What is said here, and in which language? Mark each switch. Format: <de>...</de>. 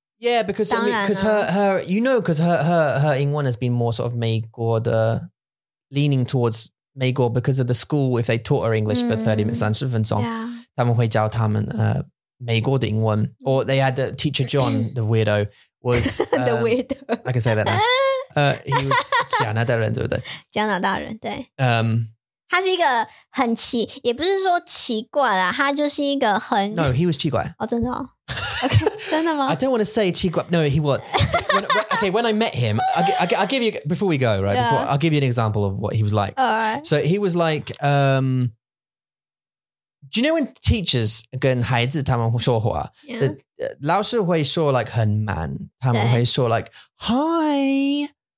<en>Yeah, because I mean, cause her, you know, because her 英文 has been more sort of 美国的 leaning towards 美国 because of the school, if they taught her English for 30 minutes,</en> <zh>30分钟 他们会教他们美国的英文</zh> <en>Or they had the teacher John, the weirdo, was the weirdo. I can say that now. He was</en> <zh>加拿大人对不对加拿大人对他是一个很奇，也不是说奇怪啦，他就是一个很。</zh> <en>No, he was 奇怪。</en> <zh>哦，真的哦。OK, 真的吗</zh> <en>？I don't want to say 奇怪。No, he was. Okay, when I met him, I'll give you before we go right. Yeah. Before, I'll give you an example of what he was like. All right. So he was like, do you know when teachers</en> <zh>跟孩子他们说话，老师会说</zh> <en>like</en> <zh>很慢，他们会说</zh> <en>like hi.</en>